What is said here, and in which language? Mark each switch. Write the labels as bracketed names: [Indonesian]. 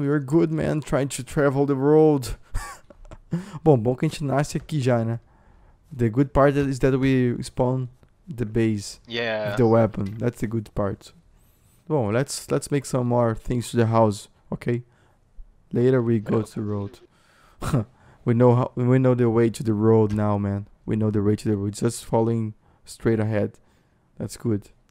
[English] We were good, man, trying to travel the world. [Portuguese] bom que a gente nasce aqui já, né? [English] The good part is that we spawn the base. Yeah. With the weapon. That's the good part. Bom, let's make some more things to the house, okay? Later we go to the road. we know the way to the road now, man. We know the way to the road. Just following straight ahead. That's good.